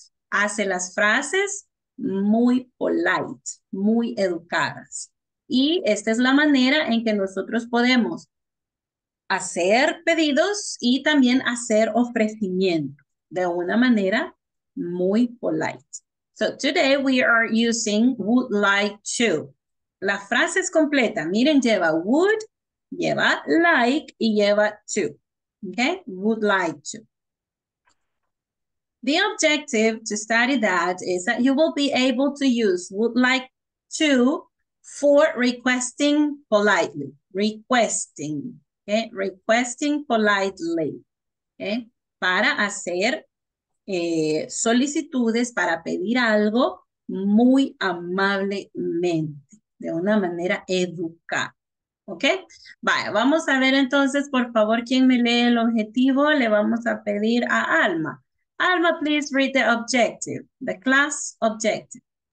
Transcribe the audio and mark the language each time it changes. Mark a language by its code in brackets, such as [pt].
[es] Hace las frases muy polite, muy educadas. Y esta es la manera en que nosotros podemos hacer pedidos y también hacer ofrecimiento de una manera muy polite. [en] So today we are using would like to. [es] La frase es completa. Miren, lleva would, lleva like y lleva to. Okay? [en] Would like to. The objective to study that is that you will be able to use would like to for requesting politely. Requesting. Okay? Requesting politely. Okay? [es] Para hacer solicitudes, para pedir algo muy amablemente, de una manera educada. ¿Ok? Vaya, vamos a ver entonces, por favor, quién me lee el objetivo. Le vamos a pedir a Alma. [en] Alma, please read the objective, the class objective.